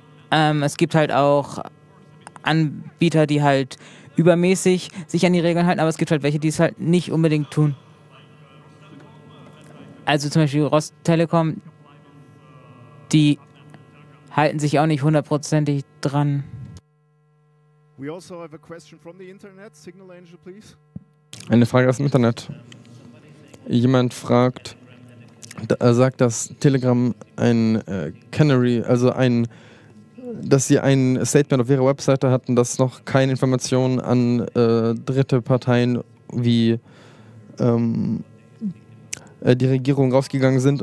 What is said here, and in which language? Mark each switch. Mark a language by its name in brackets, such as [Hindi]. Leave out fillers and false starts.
[German] Es gibt halt auch Anbieter, die halt übermäßig sich an die Regeln halten, aber es gibt halt welche, die es halt nicht unbedingt tun. Also zum Beispiel Rostelekom, die halten sich auch nicht hundertprozentig dran. [English] We also have a question from the internet. Signal Angel, please. [German] Eine Frage aus dem Internet. Jemand fragt, sagt, dass Telegram ein Canary, also ein, dass sie ein Statement auf ihrer Webseite hatten, dass noch keine Informationen an dritte Parteien wie die Regierung rausgegangen sind.